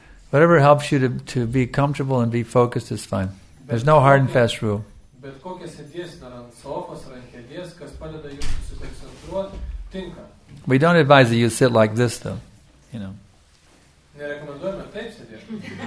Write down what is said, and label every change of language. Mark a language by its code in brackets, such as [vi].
[en] Whatever helps you to be comfortable and be focused is fine. There's no hard and fast rule. [lt] Bet kokia sėdės, ar ant sofos, ar ant kėdės, kas padeda jums susikoncentruoti, tinka. [en] We don't advise that you sit like this, though. You know. [lt] Nerekomenduojame taip sėdėti.